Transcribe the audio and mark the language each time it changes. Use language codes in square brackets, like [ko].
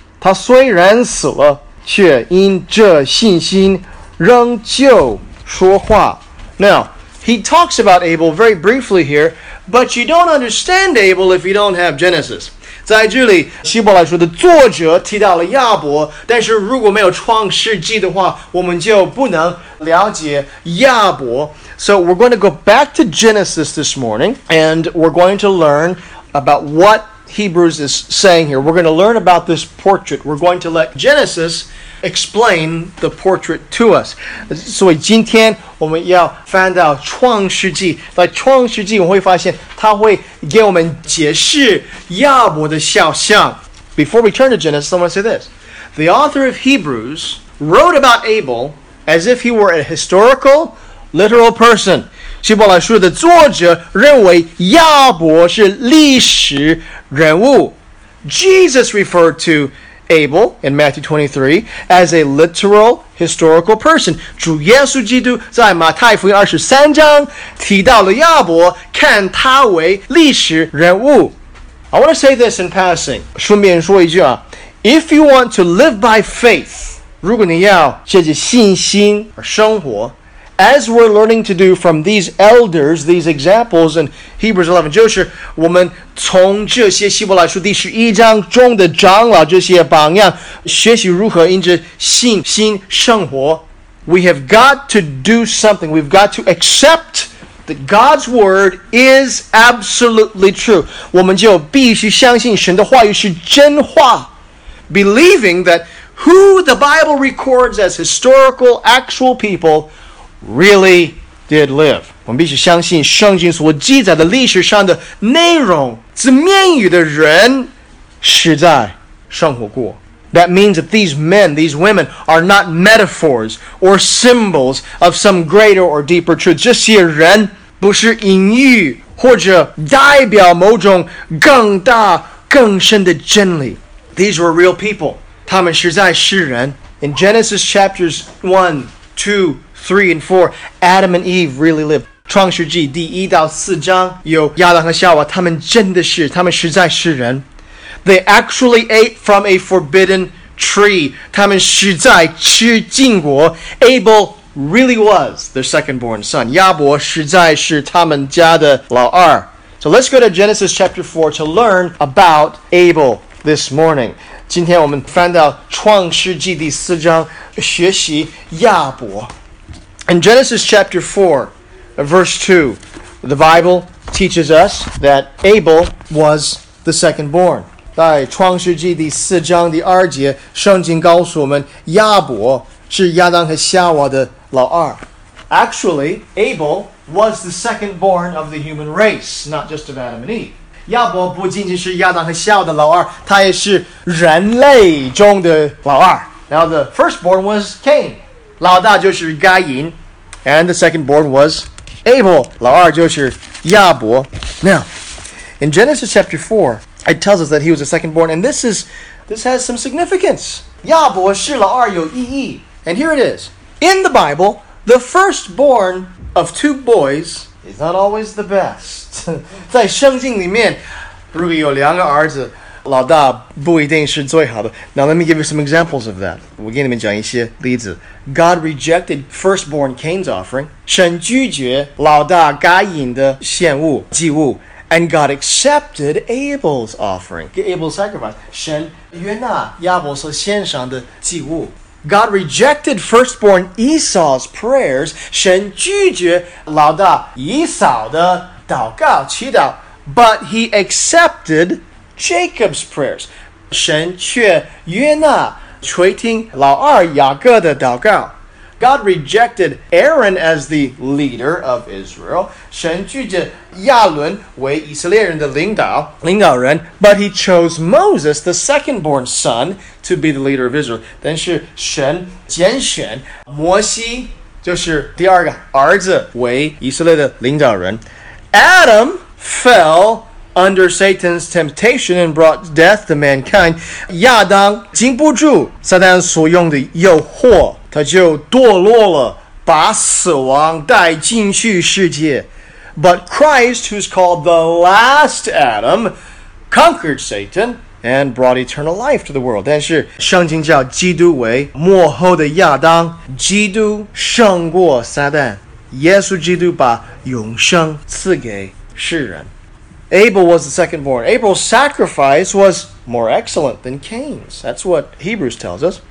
[zh] 他虽然死了，却因这信心仍旧说话。 [en] Now, he talks about Abel very briefly here, but you don't understand Abel if you don't have Genesis. [zh] 在这里希伯来书的作者提到了亚伯，但是如果没有创世纪的话，我们就不能了解亚伯。 [en] So we're going to go back to Genesis this morning, and we're going to learn about what Hebrews is saying here. We're going to learn about this portrait. We're going to let Genesis explain the portrait to us. [zh] 所以今天我们要翻到创世纪，在创世纪我们会发现他会给我们解释亚伯的肖像。 [en] Before we turn to Genesis, I want to say this. The author of Hebrews wrote about Abel as if he were a historical, literal person. [zh] 希伯来书的作者认为亚伯是历史人物。 [en] Jesus referred to Abel in Matthew 23 as a literal, historical person. [zh] 主耶稣基督在马太福音23章提到了亚伯，看他为历史人物。 [en] I want to say this in passing. [zh] 顺便说一句啊， [en] If you want to live by faith, [zh] 如果你要借着信心而生活， [en] as we're learning to do from these elders, these examples in Hebrews 11, [zh] 就是我们从这些希伯来书第十一章中的长老这些榜样，学习如何因着信心生活。 [en] We have got to do something. We've got to accept that God's word is absolutely true. [zh] 我们就必须相信神的话语是真话。 [en] Believing that who the Bible records as historical, actual people really did live. [zh] 我们必须相信圣经所记载的历史上的内容，字面语的人实在生活过。 [en] That means that these men, these women are not metaphors or symbols of some greater or deeper truth. [zh] 这些人不是隐喻或者代表某种更大更深的真理。 [en] These were real people. [zh] 他们实在是人。 [en] In Genesis chapters 1, 2, 3 and 4, Adam and Eve really lived. [zh] 创世纪第一到四章有亚当和夏娃，他们真的是，他们实在是人。 [en] They actually ate from a forbidden tree. [zh] 他们实在吃禁果。 [en] Abel really was their second born son. [zh] 亚伯实在是他们家的老二。 [en] So let's go to Genesis chapter 4 to learn about Abel this morning. [zh] 今天我们翻到创世纪第四章，学习亚伯。 [en] In Genesis chapter 4, verse 2, the Bible teaches us that Abel was the second born. [zh] 在创世纪第四章第二节，圣经告诉我们亚伯是亚当和夏娃的老二。 [en] Actually, Abel was the second born of the human race, not just of Adam and Eve. [zh] 亚伯不仅仅是亚当和夏娃的老二，他也是人类中的老二。 [en] Now the firstborn was Cain. [zh] 老大就是该隐 [en] and the second born was Abel. [zh] 老二就是亚伯。 [en] Now, in Genesis chapter 4, it tells us that he was the second born, and this has some significance. [zh] 亚伯是老二有意义。 [en] And here it is. In the Bible, the firstborn of two boys is not always the best. [zh] 在圣经里面，如果有两个儿子，老大不一定是最好的。 [en] Now let me give you some examples of that. [zh] 我给你们讲一些例子。 [en] God rejected firstborn Cain's offering. [zh] 神拒绝老大该隐的献物祭物。 [en] And God accepted Abel's offering. Abel's sacrifice. [zh] 神悦纳亚伯所献上的祭物。 [en] God rejected firstborn Esau's prayers. [zh] 神拒绝老大以扫的祷告祈祷。 [en] But he accepted Jacob's prayers. [zh] 神却悦纳垂听老二雅各的祷告。 [en] God rejected Aaron as the leader of Israel. [zh] 神拒绝亚伦为以色列人的领导人。 [en] But he chose Moses, the second born son, to be the leader of Israel. [zh] 但是神拣选摩西，就是第二个儿子，为以色列的领导人。 [en] Adam fellunder Satan's temptation and brought death to mankind. [zh] 亚当经不住撒旦所用的诱惑，他就堕落了，把死亡带进去世界。 [en] But Christ, who's called the last Adam, conquered Satan and brought eternal life to the world. [zh] 但是圣经叫基督为末后的亚当，基督胜过撒旦，耶稣基督把永生赐给世人。 [en] Abel was the second born. Abel's sacrifice was more excellent than Cain's. That's what Hebrews tells us.